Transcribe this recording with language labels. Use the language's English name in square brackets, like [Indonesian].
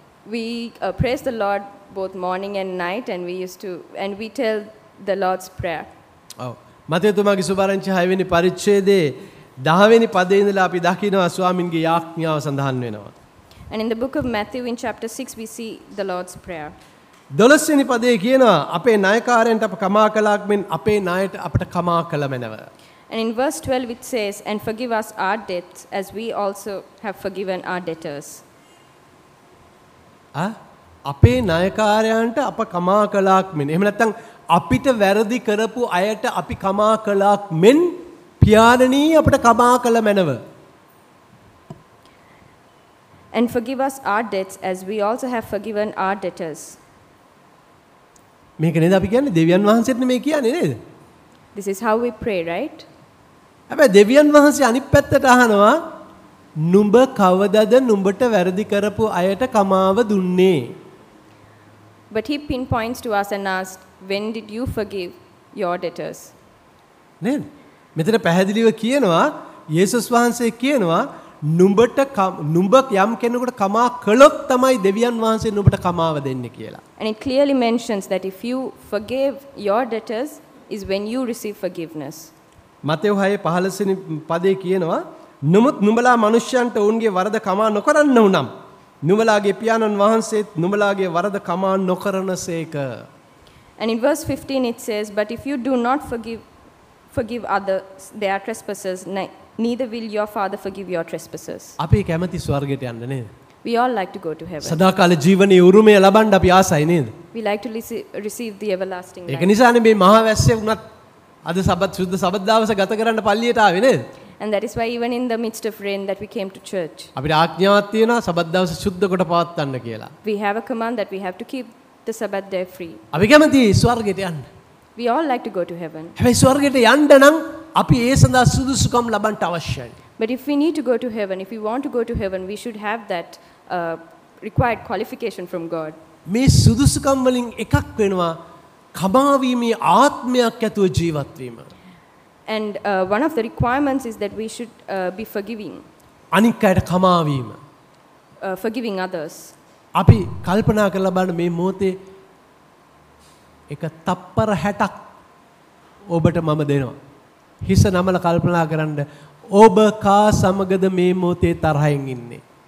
[English] We praise the Lord both morning and night and we tell the Lord's prayer. Oh. [Sinhala] මතේතුමාගේ සුභාරංචි 6 වෙනි පරිච්ඡේදයේ 10 වෙනි පදයේ ඉඳලා අපි දකිනවා ස්වාමින්ගේ යාඥාව සඳහන් වෙනවා. [English] And in the book of Matthew in chapter 6 we see the Lord's prayer. [Sinhala] 12 වෙනි පදයේ කියනවා අපේ නායකාරයන්ට අප කමා කළාක් මෙන් අපේ නායට අපට කමා කළමැනව. [English] And in verse 12 it says and forgive us our debts as we also have forgiven our debtors. [Sinhala] ආ අපේ නායකාරයන්ට අප කමා කළාක් මෙන් එහෙම නැත්නම් අපිට වැරදි කරපු අයට අපි කමා කළාක් මෙන් පියාණනී අපට කමා කළ මැනව. [English] And forgive us our debts as we also have forgiven our debtors. [Sinhala] මේක නේද අපි කියන්නේ දෙවියන් වහන්සේට මේ කියන්නේ නේද? [English] This is how we pray, right? [Sinhala] හැබැයි දෙවියන් වහන්සේ අනිත් පැත්තට අහනවා නුඹ කවදද නුඹට වැරදි කරපු අයට කමාව දුන්නේ? [English] But he pinpoints to us and asks when did you forgive your debtors? [Sinhala] නේද? මෙතන පැහැදිලිව කියනවා යේසුස් වහන්සේ කියනවා නුඹට නුඹ යම් කෙනෙකුට කමා කළොත් තමයි දෙවියන් වහන්සේ නුඹට කමාව දෙන්නේ කියලා. [English] And it clearly mentions that if you forgive your debtors is when you receive forgiveness. [Sinhala] මතේ 6:15 වෙනි පදේ කියනවා නමුත් නුඹලා මිනිස්යන්ට ඔවුන්ගේ වරද කමා නොකරන්න උනම් නුඹලාගේ පියාණන් වහන්සේත් නුඹලාගේ වරද කමා නොකරනසේක. [English] And in verse 15 it says but if you do not forgive others their trespasses neither will your father forgive your trespasses. [Sinhala] අපි කැමති ස්වර්ගයට යන්න නේද? [English] We all like to go to heaven. [Sinhala] සදාකාල ජීවනයේ උරුමය ලබන්න අපි ආසයි නේද? [English] We like to receive the everlasting [Sinhala] life. ඒක නිසානේ මේ මහවැස්සේ වුණත් අද සබත් සුද්ධ සබත් දවස ගත කරන්න පල්ලියට ආවේ නේද? [English] And that is why even in the midst of rain that we came to church. [Sinhala] අපිට ආඥාවක් තියෙනවා සබත් දවස සුද්ධ කොට පවත්වන්න කියලා. [English] We have a command that we have to keep the sabbath day free. [Sinhala] අපි කැමති ස්වර්ගයට යන්න. [English] We all like to go to heaven. [Sinhala] හැබැයි ස්වර්ගයට යන්න නම් අපි ඒ සඳහා සුදුසුකම් ලබන්න අවශ්‍යයි. [English] But if we need to go to heaven, if we want to go to heaven, we should have that required qualification from God. [Sinhala] මේ සුදුසුකම් වලින් එකක් වෙනවා කමාවීමේ ආත්මයක් ඇතුව ජීවත් වීම. [English] And one of the requirements is that we should be forgiving. [Sinhala] අනික් අයට කමාවීම. [English] Forgiving others. [Sinhala] අපි කල්පනා කරලා බලන්න මේ මොහොතේ එක තප්පර 60ක් ඔබට මම දෙනවා. හිස නමල කල්පනා කරන්න ඔබ කා සමගද මේ මොහොතේ තරහෙන් ඉන්නේ?